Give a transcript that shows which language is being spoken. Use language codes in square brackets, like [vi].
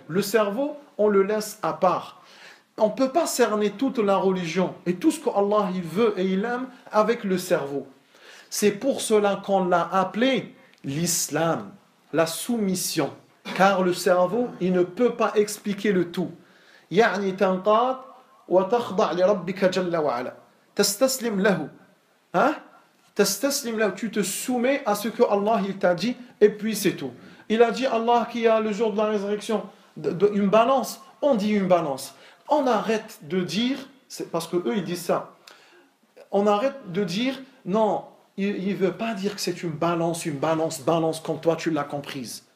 [fr] Le cerveau, on le laisse à part. On ne peut pas cerner toute la religion et tout ce que Allah veut et il aime avec le cerveau. C'est pour cela qu'on l'a appelé l'islam, la soumission. Car le cerveau, il ne peut pas expliquer le tout. [ar] يعني تنقاد وتخضع لربك جل وعلا. تستسلم له. Hein? تستسلم له. [fr] Tu te soumets à ce que Allah il t'a dit et puis c'est tout. Il a dit Allah qui a le jour de la résurrection une balance. On dit une balance. On arrête de dire, c'est parce que eux ils disent ça. On arrête de dire, non, il ne veut pas dire que c'est une balance comme toi tu l'as comprise.